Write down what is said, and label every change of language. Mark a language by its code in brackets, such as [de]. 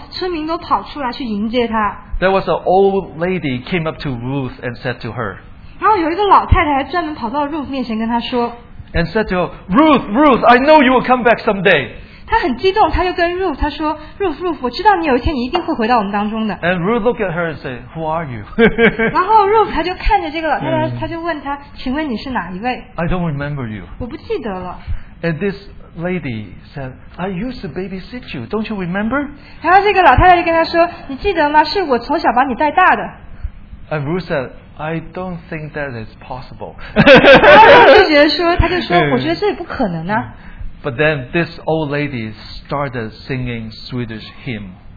[zh] 当她快要去到那个村子的时候，村民都跑出来去迎接她。 [en] There was an old lady came up to Ruth and said to her, [zh] 然后有一个老太太还专门跑到Ruth面前跟她说, [en] and said to her, Ruth, Ruth, I know you will come back someday. [zh] 她很激动，她就跟Ruth她说, Ruth, Ruth, 我知道你有一天一定会回到我们当中的。 [en] And Ruth looked at her and said, Who are you? [zh] 然后Ruth她就看着这个老太太，她就问她, 请问你是哪一位? [en] I don't remember you. [zh] 我不记得了。 [en] And this lady said, I used to babysit you, don't you remember? [zh] 然后这个老太太就跟她说，你记得吗？是我从小把你带大的。 [en] And Ruth said, I don't think that is possible. [zh] 然后她就觉得说，她就说，我觉得这也不可能啊。 [en] But then this old lady started singing Swedish hymn.